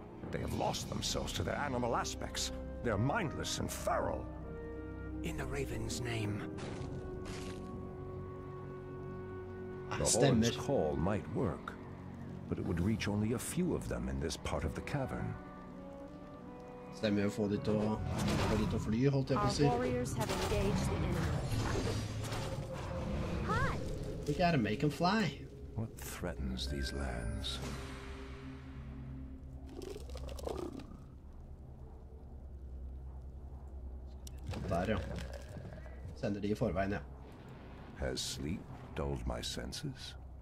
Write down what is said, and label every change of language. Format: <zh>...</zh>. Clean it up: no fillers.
<en>They have lost themselves to their animal aspects. They are mindless and feral. In the raven's name. The horde's call might work. But it would reach only a few of them in this part of the cavern.</en> <no>Stemmer å få de til å fly, holdt jeg på å si.</no> <en>We gotta make them fly. What threatens these lands?</en> <no>Der, ja. Sender de i forveien, ja.</no> <en>Has sleep dulled my senses?</en>